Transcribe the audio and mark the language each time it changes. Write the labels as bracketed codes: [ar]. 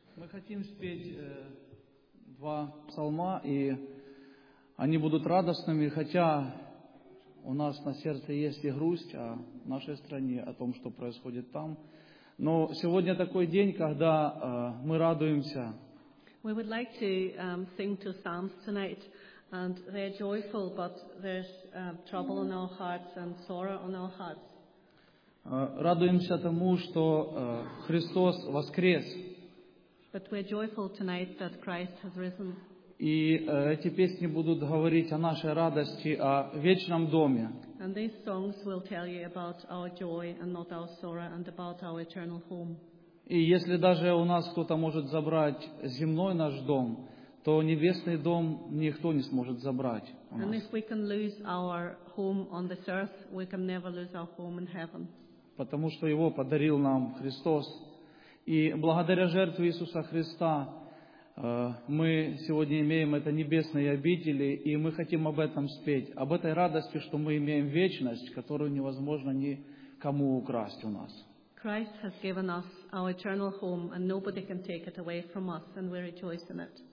[ru] Хотим спеть два псалма, и они будут радостными, хотя у нас на сердце есть и грусть о нашей стране, о том, что происходит там. Но сегодня такой день, когда мы радуемся. [en] We would like to sing two psalms tonight, and they're joyful, but there's trouble in our hearts and sorrow in our hearts. [ru] Радуемся тому, что Христос воскрес. [en] But we're joyful tonight that Christ has risen. [ru] И эти песни будут говорить о нашей радости, о вечном доме. [en] And these songs will tell you about our joy and not our sorrow and about our eternal home. [ru] И если даже у нас кто-то может забрать земной наш дом, то небесный дом никто не сможет забрать у нас. [en] And if we can lose our home on this earth, we can never lose our home in heaven. [ru] Потому что его подарил нам Христос. И благодаря жертве Иисуса Христа мы сегодня имеем это небесные обители, и мы хотим об этом спеть, об этой радости, что мы имеем вечность, которую невозможно никому украсть у нас. [en] Christ has given us our eternal home, and nobody can take it away from us, and we rejoice in it.